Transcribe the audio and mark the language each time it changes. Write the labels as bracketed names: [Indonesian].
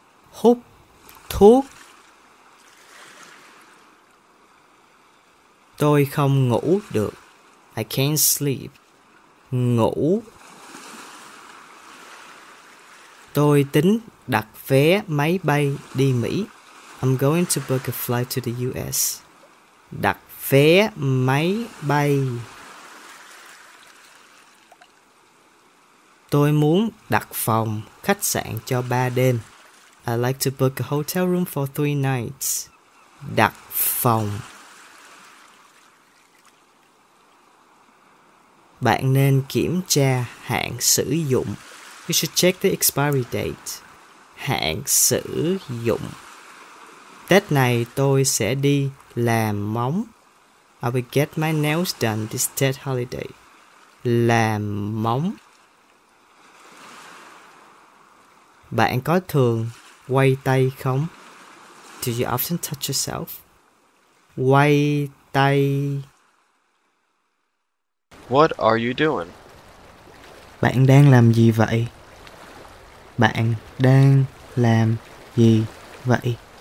[Vietnamese] Hút thuốc. Tôi không ngủ được. [English] I can't sleep. [Vietnamese] Ngủ. Tôi tính đặt vé máy bay đi Mỹ. [English] I'm going to book a flight to the US. [Vietnamese] Đặt vé máy bay. Tôi muốn đặt phòng khách sạn cho 3 đêm. [English] I like to book a hotel room for 3 nights. [Vietnamese] Đặt phòng. Bạn nên kiểm tra hạn sử dụng. [English] You should check the expiry date. [Vietnamese] Hạn sử dụng. Tết này tôi sẽ đi làm móng. [English] I will get my nails done this Tết holiday. [Vietnamese] Làm móng. Bạn có thường quay tay không? [English] Do you often touch yourself? [Vietnamese] Quay tay. [English] What are you doing? [Vietnamese] Bạn đang làm gì vậy? Bạn đang làm gì vậy?